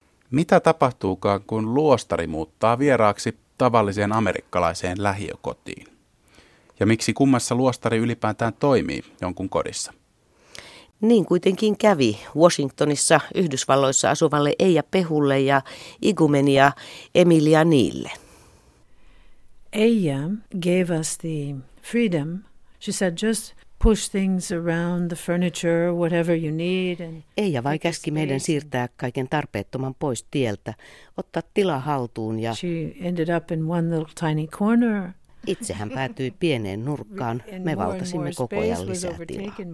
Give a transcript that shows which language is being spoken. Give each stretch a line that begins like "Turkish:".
Finnish: Mitä tapahtuukaan, kun luostari muuttaa vieraaksi tavalliseen amerikkalaiseen lähiökotiin? Ja miksi kummassa luostari ylipäätään toimii jonkun kodissa? Niin kuitenkin kävi Washingtonissa Yhdysvalloissa asuvalle Eija Pehulle ja igumenia Emilia Niille.
English: Eija gave us the freedom. She said just push things around the furniture, whatever you need.
Finnish: Eija vain käski meidän siirtää kaiken tarpeettoman pois tieltä, ottaa tila haltuun ja...
English: She ended up in one little tiny corner.
Finnish: Itse hän päätyi pieneen nurkkaan. Me valtasimme koko ajan lisää tilaa.